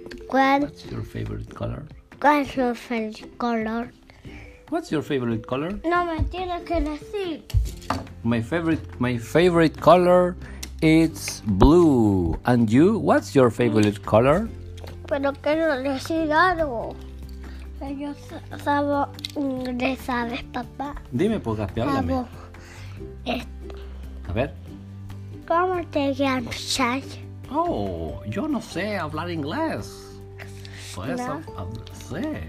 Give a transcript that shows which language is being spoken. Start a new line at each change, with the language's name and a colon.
English: What's your favorite color?
Spanish: ¿Cuál es tu favorito color?
English: What's your favorite color?
Spanish: No me tienes que decir.
English: My favorite color is blue. And you, what's your favorite color?
Spanish: Pero quiero decir algo. Yo sabo inglés, ¿sabes, papá? Dime, pues, Gaspi, háblame. A ver. ¿Cómo te llamas, Chay? Oh, yo no sé hablar inglés. Pues, sí.